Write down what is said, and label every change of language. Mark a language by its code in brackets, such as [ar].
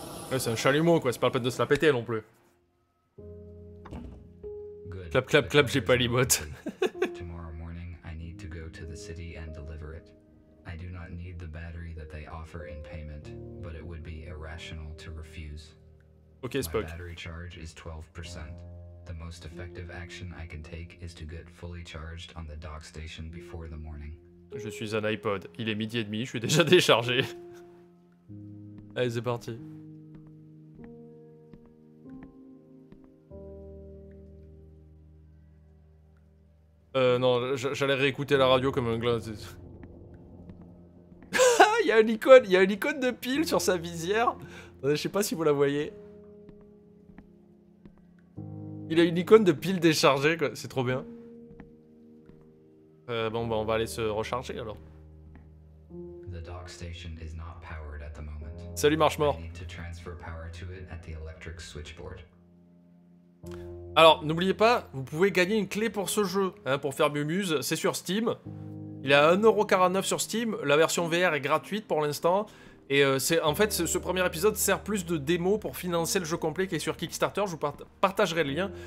[fr] Ouais, c'est un chalumeau, quoi. C'est pas la peine de se la péter non plus. Clap, clap, clap, j'ai pas les bottes. [en] Tomorrow morning, I need to go to the city and deliver it. I do not need the battery that they offer in payment, but it would be irrational to refuse. [fr] Ok, Spock. [en] My battery charge is 12%. The most effective action I can take is to get fully charged on the dock station before the morning. [fr] Je suis un iPod. Il est midi et demi, je suis déjà déchargé. Allez, c'est parti. Non, j'allais réécouter la radio comme un glace. il y a une icône de pile sur sa visière. Je sais pas si vous la voyez. Il a une icône de pile déchargée, quoi. C'est trop bien. On va aller se recharger alors. [en] The dock station is not powered at the moment. [fr] Salut Marchemort. [en] I need to transfer power to it at the electric switchboard. [fr] Alors, n'oubliez pas, vous pouvez gagner une clé pour ce jeu, hein, pour faire Mumuse, c'est sur Steam. Il est à 1,49€ sur Steam, la version VR est gratuite pour l'instant. Et ce premier épisode sert plus de démo pour financer le jeu complet qui est sur Kickstarter, je vous partagerai le lien.